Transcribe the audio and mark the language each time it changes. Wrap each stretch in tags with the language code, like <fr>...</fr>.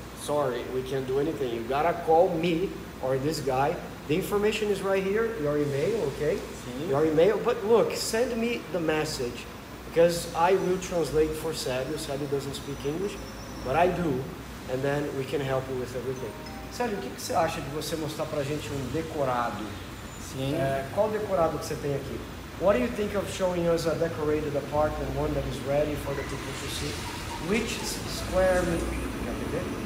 <en>Sorry, we can't do anything. You gotta call me or this guy. The information is right here, your email, okay?</en> <pt>Sim.</pt> <en>Your email, but look, send me the message, because I will translate for Célio. Célio doesn't speak English, but I do, and then we can help you with everything.</en> <pt>Célio, o que você acha de você mostrar pra gente um decorado? Sim. Qual decorado que você tem aqui?</pt> <en>What do you think of showing us a decorated apartment, one that is ready for the people to see? Which square meter?</en>